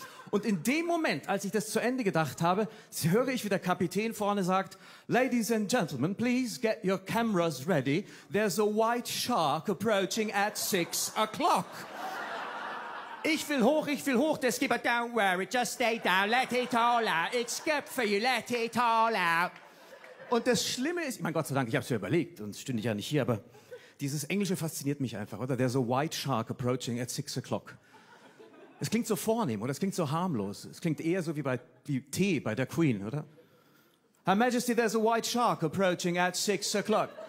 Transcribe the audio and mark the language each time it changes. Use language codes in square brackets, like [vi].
[de] Und in dem Moment, als ich das zu Ende gedacht habe, höre ich, wie der Kapitän vorne sagt, [en] Ladies and gentlemen, please get your cameras ready. There's a white shark approaching at 6 o'clock. [de] Ich will hoch, der Skipper, [en] don't worry, just stay down, let it all out. It's good for you, let it all out. [de] Und das Schlimme ist, mein Gott sei Dank, ich habe es ja überlegt, sonst stünde ich ja nicht hier, aber dieses Englische fasziniert mich einfach, oder? [en] There's a white shark approaching at 6 o'clock. [de] Es klingt so vornehm, oder? Es klingt so harmlos. Es klingt eher so wie Tee bei der Queen, oder? [en] Her Majesty, there's a white shark approaching at 6 o'clock.